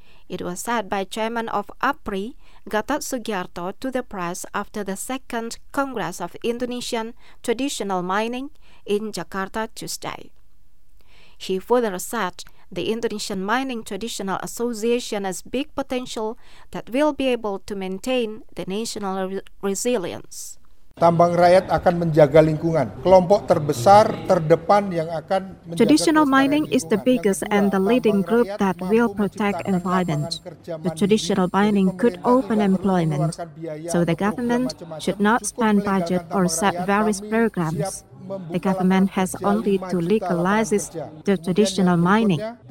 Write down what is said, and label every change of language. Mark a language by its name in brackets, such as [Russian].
[English] It was said by Chairman of APRI, Gatot Sugiarto, to the press after the second Congress of Indonesian Traditional Mining in Jakarta Tuesday. He further said the Indonesian Mining Traditional Association has big potential that will be able to maintain the national resilience. [Indonesian] Tambang rakyat akan menjaga lingkungan. Kelompok terbesar terdepan yang akan menjaga [English] traditional mining is the biggest and the leading group that will protect environment. The traditional mining could open employment, so the government should not spend budget or set various programs. The government has only to legalize the traditional mining.